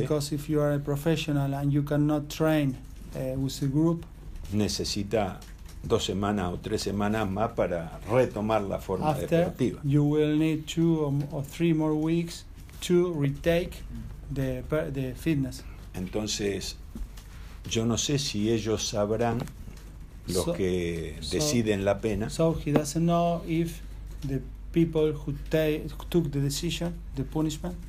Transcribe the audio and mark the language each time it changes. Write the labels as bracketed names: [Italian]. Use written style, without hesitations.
[English] because if you are a professional and you cannot train with a group, [Spanish] necesita 2 semanas o 3 semanas más para retomar la forma deportiva. [English] You will need 2 or 3 more weeks to retake the fitness. [Spanish] Entonces, yo no sé si ellos sabrán los que deciden la pena. [English] So he doesn't know if the people who took the decision, the punishment,